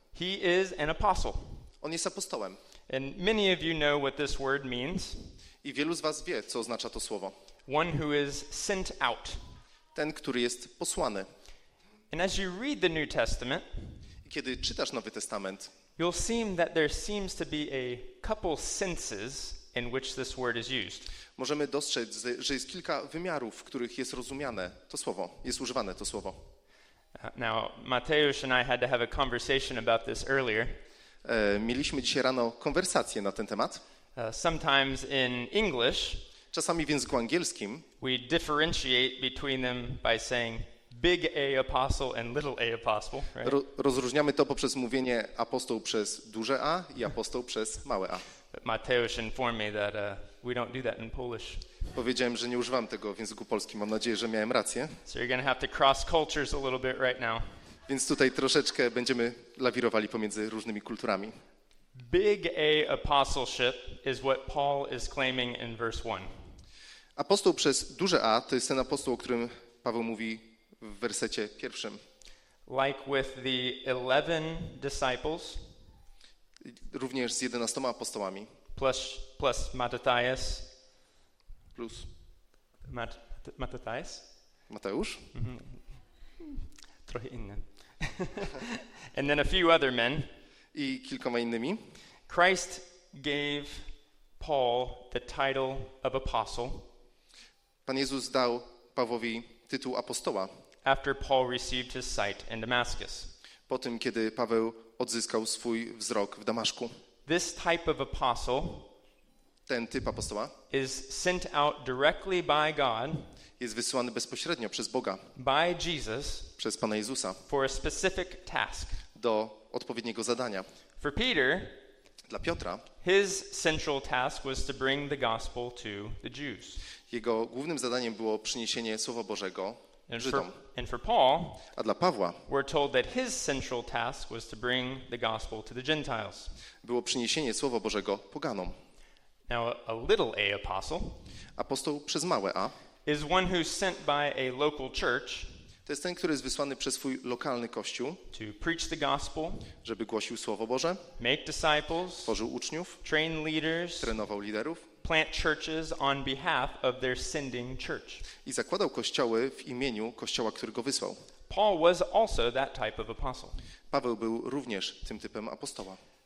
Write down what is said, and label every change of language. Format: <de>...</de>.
<en>He is an apostle.</en> <pl>On jest apostołem.</pl> <en>And many of you know what this word means.</en> <pl>I wielu z was wie, co oznacza to słowo.</pl> <en>One who is sent out.</en> <pl>Ten, który jest posłany.</pl> <en>And as you read the New Testament,</en> <pl>kiedy czytasz Nowy Testament,</pl> <en>you'll see that there seems to be a couple senses in which this word is used.</en> <pl>Możemy dostrzec, że jest kilka wymiarów, w których jest rozumiane to słowo, jest używane to słowo.</pl> <en>Now, Mateusz and I had to have a conversation about this earlier.</en> <pl>Mieliśmy dzisiaj rano konwersację na ten temat.</pl> <en>Sometimes in English,</en> <pl>czasami w języku angielskim,</pl> <en>we differentiate between them by saying big A apostle and little A apostle, right?</en> <pl>Rozróżniamy to poprzez mówienie apostoł przez duże A i apostoł przez małe A.</pl> <en>But Mateusz informed me that we don't do that in Polish.</en> <pl>Powiedziałem, że nie używam tego w języku polskim. Mam nadzieję, że miałem rację.</pl> <en>So you're going to have to cross cultures a little bit right now.</en> <pl>Więc tutaj troszeczkę będziemy lawirowali pomiędzy różnymi kulturami.</pl> <en>Big A apostleship is what Paul is claiming in verse 1.</en> <pl>Apostoł przez duże A to jest ten apostoł, o którym Paweł mówi w wersecie pierwszym.</pl> <en>Like with the 11 disciples.</en> <pl>Również z 11 apostołami.</pl> <en>Plus Mattathias.</en> <pl>Plus.</pl> <en>Mattathias?</en> <pl>Mateusz? Trochę inny.</pl> <en>And then a few other men.</en> <pl>I kilkoma innymi.</pl> <en>Christ gave Paul the title of apostle.</en> <pl>Pan Jezus dał Pawłowi tytuł apostoła.</pl> <en>After Paul received his sight in Damascus.</en> <pl>Po tym, kiedy Paweł odzyskał swój wzrok w Damaszku.</pl> <en>This type of apostle,</en> <pl>ten typ apostoła,</pl> <en>is sent out directly by God,</en> <pl>jest wysłany bezpośrednio przez Boga,</pl> <en>by Jesus,</en> <pl>przez Pana Jezusa,</pl> <en>for a specific task,</en> <pl>do odpowiedniego zadania.</pl> <en>For Peter,</en> <pl>dla Piotra,</pl> <en>his central task was to bring the gospel to the Jews.</en> <pl>Jego głównym zadaniem było przyniesienie Słowa Bożego Żydom.</pl> <en>And for Paul,</en> <pl>a dla Pawła,</pl> <en>we're told that his central task was to bring the gospel to the Gentiles.</en> <pl>Było przyniesienie Słowa Bożego poganom.</pl> <en>Now a little A apostle,</en> <pl>apostoł przez małe A,</pl> <en>is one who's sent by a local church,</en> <pl>to jest ten, który jest wysłany przez swój lokalny kościół,</pl> <en>to preach the gospel,</en> <pl>żeby głosił Słowo Boże,</pl> <en>make disciples,</en> <pl>tworzył uczniów,</pl> <en>train leaders,</en> <pl>trenował liderów,</pl> <en>plant churches on behalf of their sending church.</en> <pl>I zakładał kościoły w imieniu kościoła, który go wysłał.</pl> <en>Paul was also that type of apostle.</en> <pl>Paweł był również tym typem apostoła.</pl>